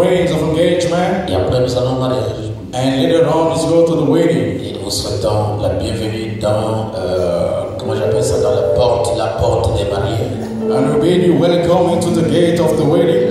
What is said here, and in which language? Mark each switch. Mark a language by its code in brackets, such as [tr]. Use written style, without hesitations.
[en] and later on, let's go to the wedding. [fr] Et nous souhaitons la bienvenue dans moi j'appelle ça dans la porte des mariés. [en] And we bid you welcome into the gate of the wedding.